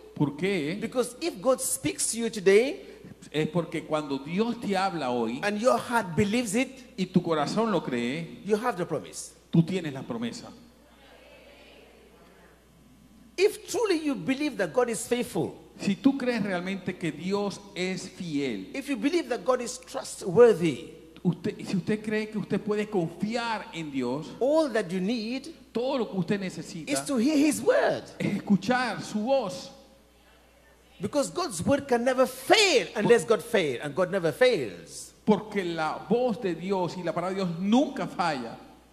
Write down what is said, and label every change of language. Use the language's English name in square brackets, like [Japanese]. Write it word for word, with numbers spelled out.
[Spanish] ¿Por qué? [English] Because if God speaks to you today [Spanish] Es porque cuando Dios te habla hoy [English] and your heart believes it, [Spanish] y tu corazón lo cree, [English] you have the promise. [Spanish] tú Tú tienes la promesa. [English] If truly you believe that God is faithful, [Spanish] Si tú crees realmente que Dios es fiel, [English] if you believe that God is trustworthy, [Spanish] usted, si usted cree que usted puede confiar en Dios, [English] all that you need [Spanish] todo lo que usted [English] is [Spanish] necesita [English] to hear His word. [Spanish] es escuchar su voz. [English] Because God's word can never fail unless God fails, and God never fails. [Spanish] Porque la voz de Dios y la palabra de Dios nunca falla.